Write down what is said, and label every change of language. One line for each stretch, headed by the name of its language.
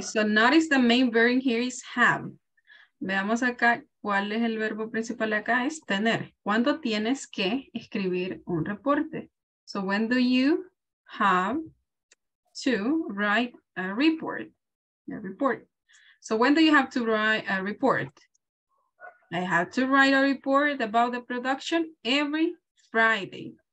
English: So notice the main verb here is have.
Spanish: Veamos acá cuál es el verbo principal acá, es tener. ¿Cuándo tienes que escribir un reporte?
English: So when do you have to write a report? A report. So when do you have to write a report? I have to write a report about the production every Friday.